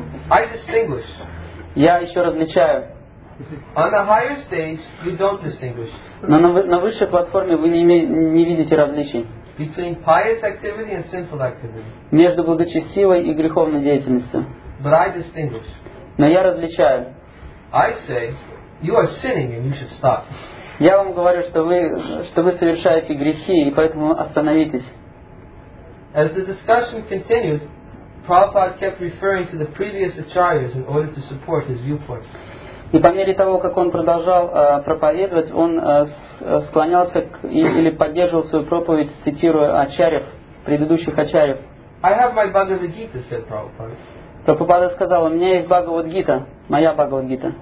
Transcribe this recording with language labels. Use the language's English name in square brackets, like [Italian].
[English] I distinguish. [Russian] Я еще различаю. [English] On the higher stage, you don't distinguish. [Russian] Но на высшей платформе вы не видите различий. [English] Between pious activity and sinful activity. [Russian] Между благочестивой и греховной деятельностью. [English] But I distinguish. [Russian] Но я различаю. [English] I say, you are sinning and you should stop. [Russian] Я вам говорю, что вы совершаете грехи, и поэтому остановитесь. [English] As the discussion continued, Prabhupada kept referring to the previous acharyas in order to support his viewpoint. [Russian] И по мере того, как он продолжал проповедовать, он склонялся к, или поддерживал свою проповедь, цитируя ачарьев, предыдущих ачарьев. [English] I have my Bhagavad Gita, said Prabhupada. [Russian] Прабхупада сказал, у меня есть Бхагавад Гита, моя Бхагавад Гита.